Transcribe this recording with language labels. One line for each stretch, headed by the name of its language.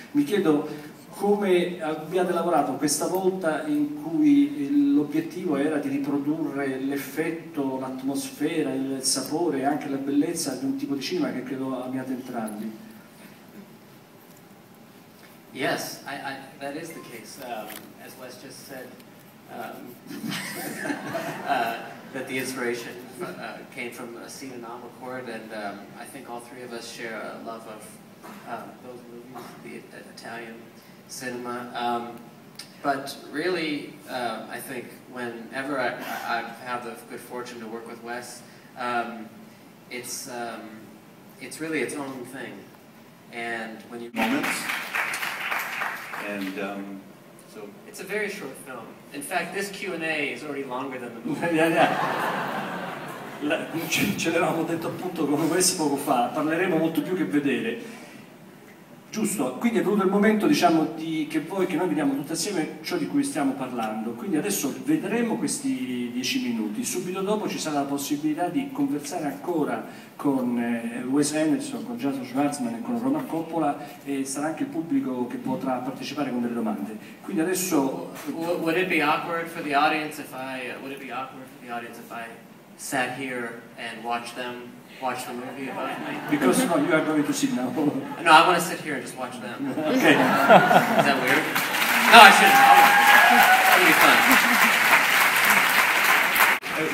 Italian: Mi chiedo come abbiate lavorato questa volta in cui l'obiettivo era di riprodurre l'effetto, l'atmosfera, il sapore e anche la bellezza di un tipo di cinema che credo amiate entrambi.
English: Yes, I that is the case. As Wes just said, that the inspiration came from a scene in Amarcord, and I think all three of us share a love of those movies, the Italian cinema. But really, I think whenever I have the good fortune to work with Wes, it's really its own thing. And when you moments. And so it's a very short film. In fact, this Q&A is already longer than the movie. Yeah, yeah.
Italian: Ce l'avevamo detto appunto con Wes poco fa, parleremo molto più che vedere. Giusto, quindi è venuto il momento, diciamo, di che voi, che noi vediamo tutti assieme ciò di cui stiamo parlando. Quindi adesso vedremo questi 10 minuti. Subito dopo ci sarà la possibilità di conversare ancora con Wes Anderson, con Jason Schwartzman e con Roman Coppola, e sarà anche il pubblico che potrà partecipare con delle domande. Quindi adesso
English: would it be awkward for the audience if I sat here and watch the movie about me? Because no, you are going to sit now. No, I want to sit here and just watch them. Okay. Is that weird? No, I shouldn't. That would be fun.